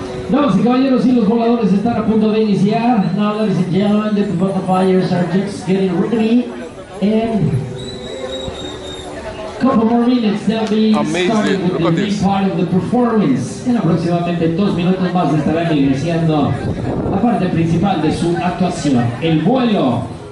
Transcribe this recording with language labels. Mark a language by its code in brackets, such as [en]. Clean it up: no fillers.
[es] Damas y caballeros, y los voladores están a punto de iniciar. [en] Now, ladies and gentlemen, the butterflies are just getting ready. And a couple more minutes, they'll be starting with the big part of the performance. [es] En aproximadamente 2 minutos más estarán iniciando la parte principal de su actuación, el vuelo.